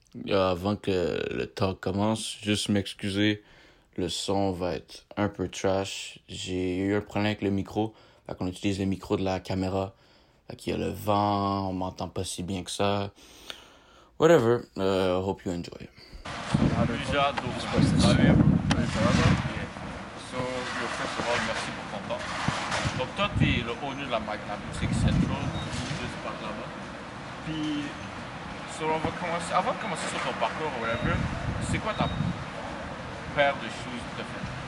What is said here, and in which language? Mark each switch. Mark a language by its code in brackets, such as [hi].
[fr] Avant que le talk commence, juste m'excuser, le son va être un peu trash. J'ai eu un problème avec le micro, fait qu'on utilise le micro de la caméra. Fait qu'il y a le vent, on m'entend pas si bien que ça. [en] Whatever, hope you enjoy. [fr] Lujah Dauphin, salut. [en] So, first of all, [fr] merci pour ton temps. Donc toi, tu es le owner de la boutique Centrall, juste par là-bas. Puis, on va commencer, avant de commencer sur ton parcours ou whatever, c'est quoi ta paire de shoes que tu as fait?